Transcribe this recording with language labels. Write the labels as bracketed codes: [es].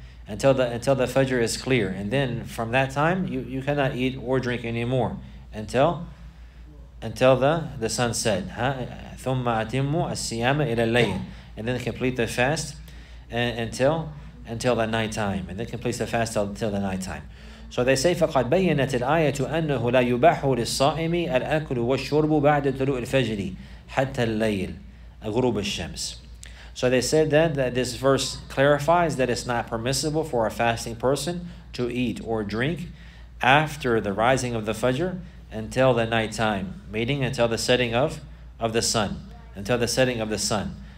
[en] Until the fajr is clear. And then from that time you cannot eat or drink anymore until the sun set. [ar] Huh? ثُمَّ أَتِمُّ السِّيَامَ إِلَى اللَّيْلِ. [en] And then complete the fast until the night time. And then complete the fast until the night time. So they say, [ar] فَقَدْ بَيَّنَتِ الْآيَةُ أَنَّهُ لَا يُبَحُّ لِلصَّائِمِ الْأَكْلُ وَالشُّرْبُ بَعْدَ طُلُوعِ الْفَجْرِ حَتَّى اللَّيْلِ غُرُوبَ الشَّمْسِ. [en] So they said that this verse clarifies that it's not permissible for a fasting person to eat or drink after the rising of the fajr until the night time, meaning until the setting of the sun, until the setting of the sun.